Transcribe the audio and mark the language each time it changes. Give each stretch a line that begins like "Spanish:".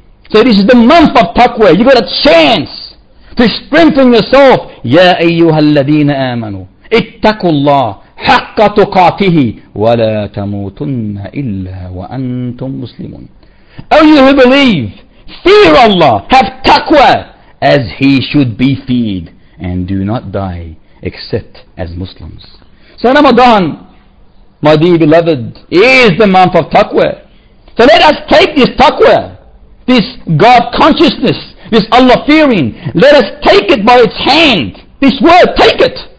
English: So this is the month of taqwa. You got a chance to strengthen yourself.
Arabic: Ya ayyuha alladhina amanu, ittaqullah حق تقاته ولا تموتن إلا وأنتم مسلمون.
English: Oh, you who believe, fear Allah, have taqwa as He should be feared, and do not die except as Muslims. So Ramadan, my dear beloved, is the month of taqwa. So let us take this taqwa, this God consciousness, this Allah fearing, let us take it by its hand, this word, take it.